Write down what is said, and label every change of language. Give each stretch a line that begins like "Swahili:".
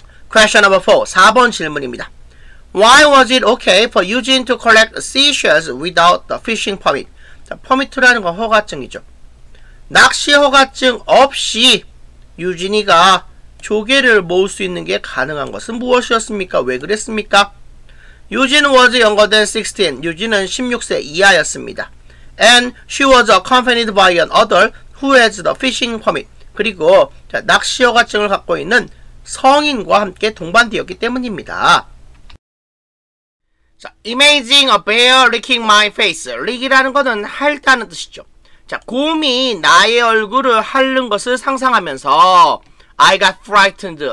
English: Question number 4, 4번 질문입니다. Why was it okay for Eugene to collect seashells without the fishing permit?
Korean: 자, permit라는 건 허가증이죠. 낚시 허가증 없이 유진이가 조개를 모을 수 있는 게 가능한 것은 무엇이었습니까?
English: 왜 그랬습니까? Eugene was younger than 16.
Korean: 유진은 16세 이하였습니다.
English: And she was accompanied by an adult who has the fishing permit.
Korean: 그리고 자, 낚시 허가증을 갖고 있는 성인과 함께 동반되었기 때문입니다.
English: 자, imagine a bear licking my face. lick이라는 것은 핥다는 뜻이죠.
Korean: 자, 곰이 나의 얼굴을 핥는 것을 상상하면서 I got frightened.